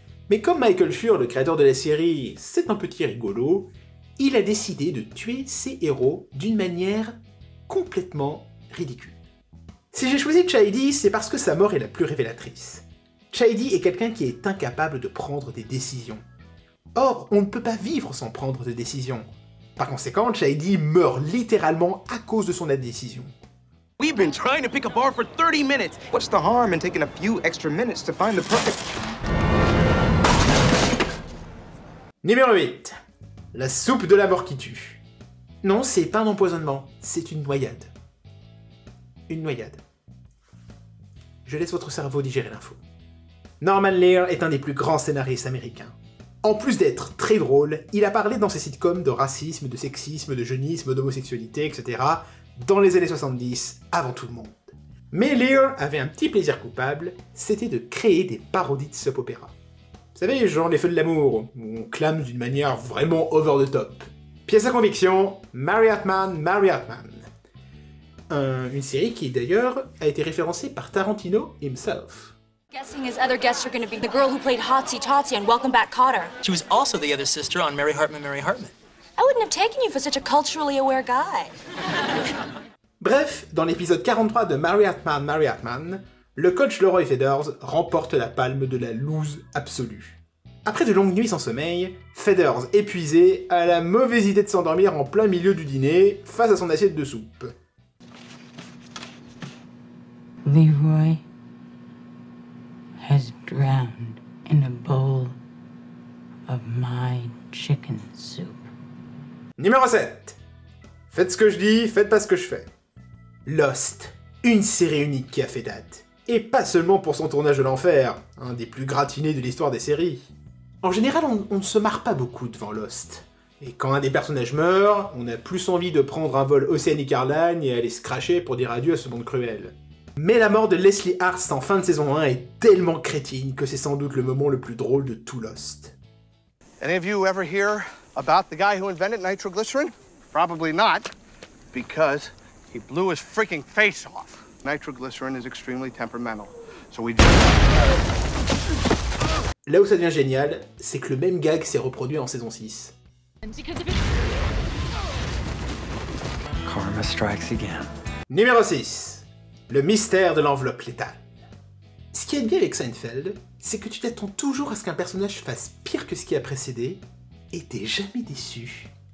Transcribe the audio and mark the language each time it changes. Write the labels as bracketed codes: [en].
[fr] Mais comme Michael Schur, le créateur de la série, c'est un petit rigolo, il a décidé de tuer ses héros d'une manière complètement ridicule. Si j'ai choisi Chidi, c'est parce que sa mort est la plus révélatrice. Chidi est quelqu'un qui est incapable de prendre des décisions. Or, on ne peut pas vivre sans prendre de décision. Par conséquent, Chidi meurt littéralement à cause de son indécision. [en] We've been trying to pick a bar for 30 minutes. What's the harm in taking a few extra minutes to find the perfect? [fr] Numéro 8. La soupe de la mort qui tue. Non, c'est pas un empoisonnement, c'est une noyade. Une noyade. Je laisse votre cerveau digérer l'info. Norman Lear est un des plus grands scénaristes américains. En plus d'être très drôle, il a parlé dans ses sitcoms de racisme, de sexisme, de jeunisme, d'homosexualité, etc. dans les années 70, avant tout le monde. Mais Lear avait un petit plaisir coupable, c'était de créer des parodies de soap opera. Vous savez, genre les feux de l'amour, où on clame d'une manière vraiment over the top. Pièce à conviction, Marriott Man, Marriott Man. Une série qui, d'ailleurs, a été référencée par Tarantino himself. [en] Guessing his other guests are going to be the girl who played Hotsy Totsy on Welcome Back Cotter. She was also the other sister on Mary Hartman, Mary Hartman. I wouldn't have taken you for such a culturally aware guy. [fr] Bref, dans l'épisode 43 de Mary Hartman, Mary Hartman, le coach Leroy Feathers remporte la palme de la lose absolue. Après de longues nuits sans sommeil, Feathers, épuisé, a la mauvaise idée de s'endormir en plein milieu du dîner, face à son assiette de soupe. [en] Leroy has drowned in a bowl of my chicken soup. [fr] Numéro 7. Faites ce que je dis, faites pas ce que je fais. Lost, une série unique qui a fait date. Et pas seulement pour son tournage de l'enfer, un des plus gratinés de l'histoire des séries. En général, on ne se marre pas beaucoup devant Lost. Et quand un des personnages meurt, on a plus envie de prendre un vol Oceanic Airlines et aller se cracher pour dire adieu à ce monde cruel. Mais la mort de Leslie Arst en fin de saison 1 est tellement crétine que c'est sans doute le moment le plus drôle de tout Lost. [en] Any of you ever hear about the guy who invented nitroglycerin? Probably not, because he blew his freaking face off. Nitroglycerin is extremely temperamental. So we just... [fr] Là où ça devient génial, c'est que le même gag s'est reproduit en saison 6. [en] Karma strikes again. [fr] Numéro 6. Le mystère de l'enveloppe létale. Ce qui est bien avec Seinfeld, c'est que tu t'attends toujours à ce qu'un personnage fasse pire que ce qui a précédé, et t'es jamais déçu.